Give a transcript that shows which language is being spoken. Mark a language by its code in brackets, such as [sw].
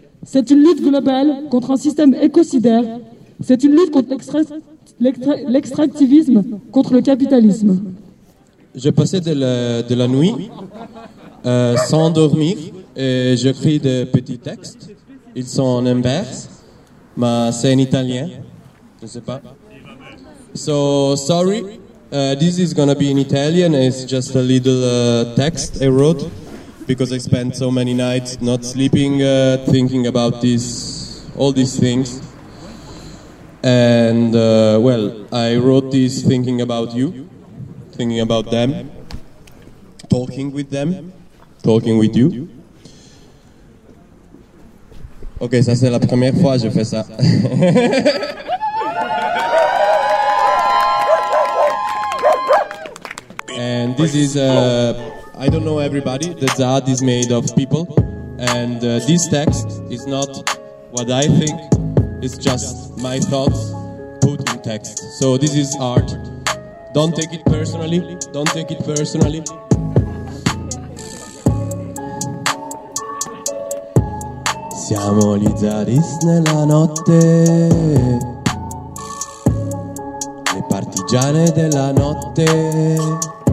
[fr] C'est une lutte globale contre un système écocidaire. C'est une lutte contre l'extractivisme, contre le capitalisme. J'ai passé de la nuit sans dormir et j'écris des petits textes. Ils sont en vers, mais c'est en italien. Je ne sais pas. [en] So, sorry. This is gonna be in Italian. It's just a little text I wrote because I spent so many nights not sleeping, thinking about this, all these things. And well, I wrote this thinking about you, thinking about them, talking with you. [fr] Okay, ça c'est la première fois que je fais ça. [en] And this is, I don't know everybody, the ZAD is made of people. And this text is not what I think, it's just my thoughts put in text. So this is art. Don't take it personally, don't take it personally. [it] Siamo gli ZADis nella notte, le partigiane della notte.